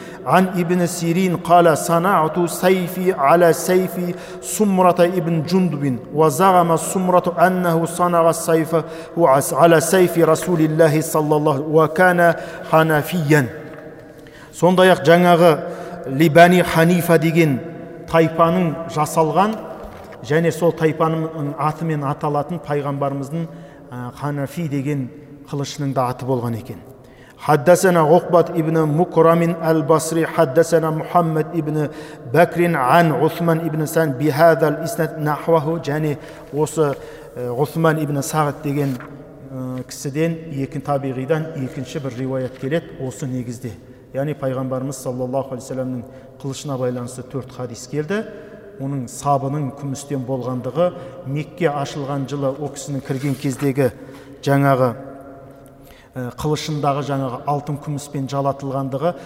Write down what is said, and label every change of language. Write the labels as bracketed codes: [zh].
[ar] عن ابن سيرين قال صنعت سيفي على سيفي سمرة ابن جندب وزعم سمرة أنه صنع السيف على سيف رسول الله صلى الله عليه وسلم وكان حنفيا [kk] сондай ақ жаңағы либани ханифа деген тайпаның жасалған және сол тайпаның атымен аталатын пайғамбарымыздың ханафи деген қылышының да аты болған екен. [ar] حدثنا عقبة ابن مكرم البصري حدثنا محمد ابن بكر عن عثمان ابن سعد بهذا الاسناد نحوه جاني عثمان ابن سعد [kk] деген кісіден екінші табиғидан екінші бір риwayat келет осы негізде. Яғни пайғамбарымыз саллаллаху алейхи вассаламның қылышына байланысты 4 хадис келді. Оның сабының күмістен болғандығы Мекке ашылған жылы о кісінің кірген кездегі жаңағы қылышындағы жаңағы алтын күміспен жалатылғандығы.